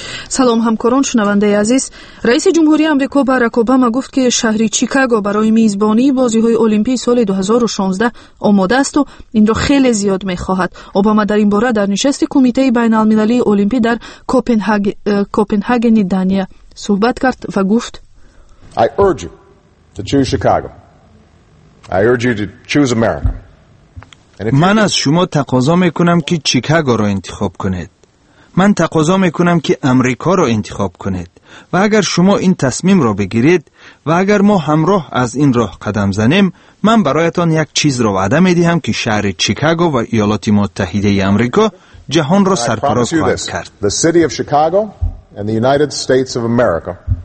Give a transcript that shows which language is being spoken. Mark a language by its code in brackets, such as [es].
[fa] سلام همکاران، شنونده عزیز. رئیس جمهوری آمریکا باراک اوباما گفت که شهر چیکاگو برای میزبانی بازی های المپیک سال 2016 آماده است و این را خیلی زیاد میخواهد. اوباما در این باره در نشست کمیته بین المللی المپیک در کوپنهاگ دانیا صحبت کرد و گفت: [en] I urge you to choose Chicago. I urge you to choose America. [fa] من از شما تقاضا میکنم که چیکاگو را انتخاب کنید. من تقاضا میکنم که امریکا را انتخاب کنید. و اگر شما این تصمیم را بگیرید و اگر ما همراه از این راه قدم زنیم، من برایتان یک چیز را وعده میدهم که شهر چیکاگو و ایالات متحده امریکا جهان را سرپرست خواهد کرد. [en] The city of Chicago and the United States of America.